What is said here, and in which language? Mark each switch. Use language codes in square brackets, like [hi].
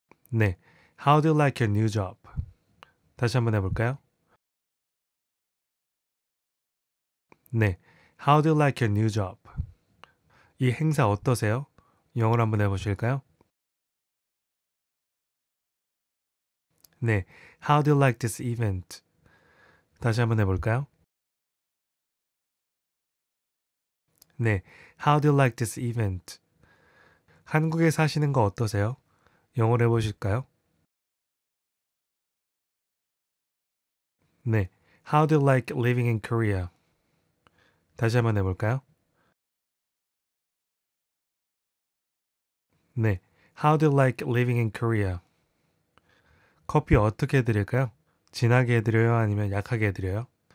[en] 네, how do you like your new job? [ko] 다시 한번 해볼까요? [en] 네, how do you like your new job? [ko] 이 행사 어떠세요? 영어로 한번 해보실까요? [en] 네, how do you like this event? [ko] 다시 한번 해볼까요? [en] 네, how do you like this event? [ko] 한국에 사시는 거 어떠세요? 영어로 해보실까요? [en] 네, how do you like living in Korea? [ko] 다시 한번 해볼까요? [en] 네, how do you like living in Korea? [ko] 커피 어떻게 해드릴까요? 진하게 해드려요? 아니면 약하게 해드려요?